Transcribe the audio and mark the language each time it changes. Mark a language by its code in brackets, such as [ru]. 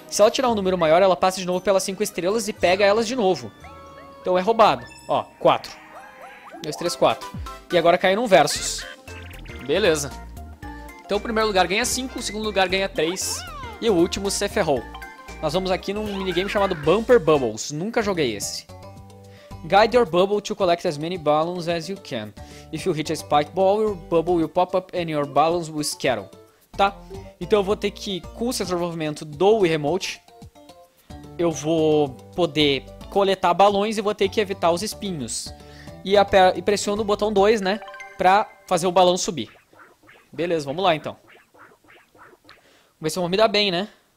[pt] Se ela tirar um número maior, ela passa de novo pelas 5 estrelas e pega elas de novo. Então é roubado. Ó, 4. 2, 3, 4. E agora caiu num versus. Beleza. Então o primeiro lugar ganha 5, o segundo lugar ganha 3. E o último se ferrou. Nós vamos aqui num minigame chamado Bumper Bubbles. Nunca joguei esse. [en] Guide your bubble to collect as many balloons as you can. If you hit a spike ball, your bubble will pop up and your balloons will scatter. [pt] Tá? Então eu vou ter que, com o sensor de movimento do Wii Remote, eu vou poder coletar balões e vou ter que evitar os espinhos. E pressiona o botão 2, né? Pra fazer o balão subir. Beleza, vamos lá então. Vamos ver se eu vou me dar bem, né?